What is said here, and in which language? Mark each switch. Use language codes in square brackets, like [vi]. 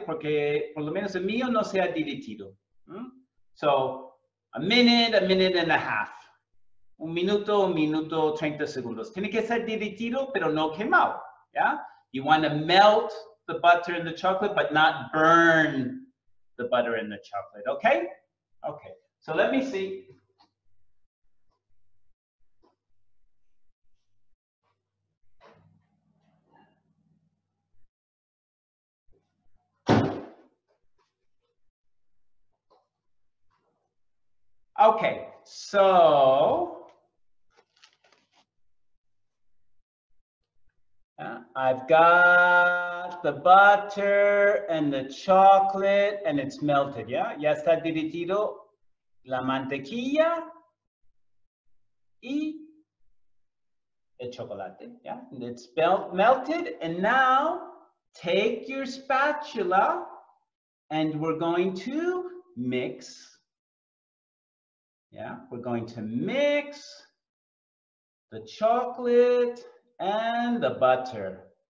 [es] Porque por lo menos el mío no se ha derretido. [en] So, a minute and a half. [es] Un minuto, 30 segundos. Tiene que ser derretido, pero no quemado, ¿yeah? [en] You want to melt the butter and the chocolate, but not burn the butter and the chocolate, okay? Okay, so let me see. Okay, so I've got the butter and the chocolate and it's melted, yeah? [es] Ya está derretido la mantequilla y el chocolate, yeah? [en] And it's melted and now take your spatula and we're going to mix. Yeah, we're going to mix the chocolate and the butter.